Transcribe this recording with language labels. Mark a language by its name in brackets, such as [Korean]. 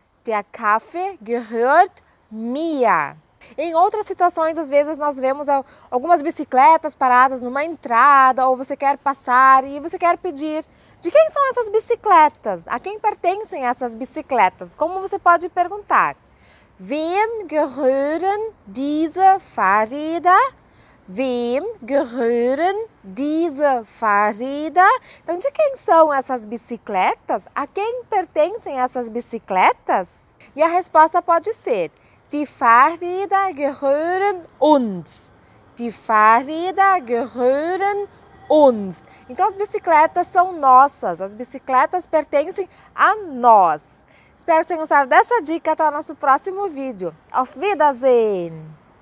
[German] Der Kaffee gehört mir. [Portuguese] Em outras situações, às vezes nós vemos algumas bicicletas paradas numa entrada, ou você quer passar e você quer pedir: de quem são essas bicicletas? A quem pertencem essas bicicletas? Como você pode perguntar? [German] Wem gehören diese Fahrräder? Wem gehören diese Fahrräder? [Portuguese] Então, de quem são essas bicicletas? A quem pertencem essas bicicletas? E a resposta pode ser: [German] Die Fahrräder gehören uns. Die Fahrräder gehören uns. [Portuguese] Então, as bicicletas são nossas. As bicicletas pertencem a nós. Espero que vocês tenham gostado dessa dica. Até o nosso próximo vídeo. [German] Auf Wiedersehen!